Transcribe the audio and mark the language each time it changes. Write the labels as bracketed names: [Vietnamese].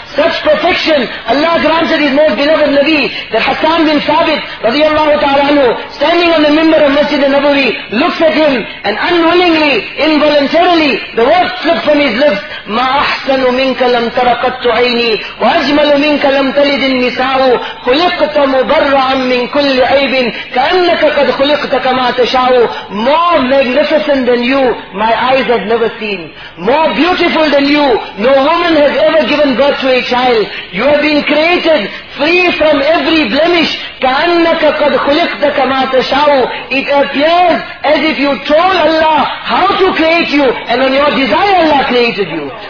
[English] Such perfection Allah granted his most beloved Nabi, that Hassan bin Thabit radiyallahu ta'ala anhu, standing on the member of Masjid al-Nabawi, looks at him and unwillingly, involuntarily, the words slip from his lips, [Arabic] مَا أَحْسَنُ مِنْكَ لَمْ تَرَقَتْتُ عَيْنِي وَأَجْمَلُ مِنْكَ لَمْ تَلِدِ النِّسَاءُ خلقت مبرعا من كل عيب كأنك قد خلقت كما تشاء. [English] More magnificent than you, my eyes have never seen. More beautiful than you, no woman has ever given birth to a child. You have been created free from every blemish. [Arabic] كأنك قد خلقت كما تشاء. [English] It appears as if you told Allah how to create you, and on your desire Allah created you.